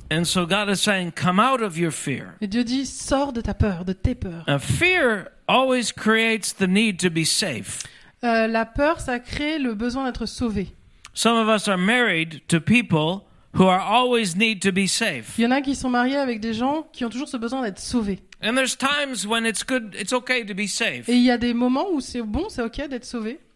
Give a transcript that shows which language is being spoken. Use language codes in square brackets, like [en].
[en] And so God is saying, come out of your fear. [fr] Et Dieu dit, sors de ta peur, de tes peurs. [en] And fear always creates the need to be safe. [fr] La peur, ça crée le besoin d'être sauvé. [en] Some of us are married to people who are always need to be safe. [fr] Il y en a qui sont mariés avec des gens qui ont toujours ce besoin d'être sauvés. [en] And there's times when it's good, it's okay to be safe. [fr] Et il y a des moments où c'est bon, c'est okay d'être sauvé.